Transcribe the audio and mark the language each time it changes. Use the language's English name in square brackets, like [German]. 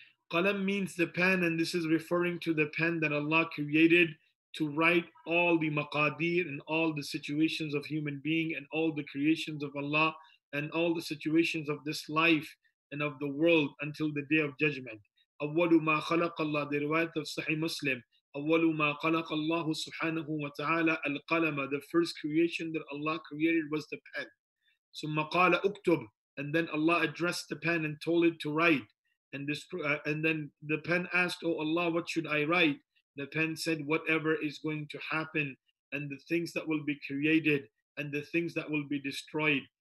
[English] Qalam means the pen, and this is referring to the pen that Allah created to write all the maqadir and all the situations of human being and all the creations of Allah and all the situations of this life and of the world until the Day of Judgment. [Arabic] أَوَّلُ مَا خَلَقَ اللَّهُ دِرْوَيَةَ [English] of Sahih Muslim. [Arabic] أَوَّلُ مَا خَلَقَ اللَّهُ سُحَانَهُ وَتَعَالَى الْقَلَمَ. [English] The first creation that Allah created was the pen. [Arabic] ثُمَّ قَالَ أُكْتُبْ. [English] And then Allah addressed the pen and told it to write. And this, and then the pen asked, "Oh Allah, what should I write?" The pen said, "Whatever is going to happen, and the things that will be created, and the things that will be destroyed.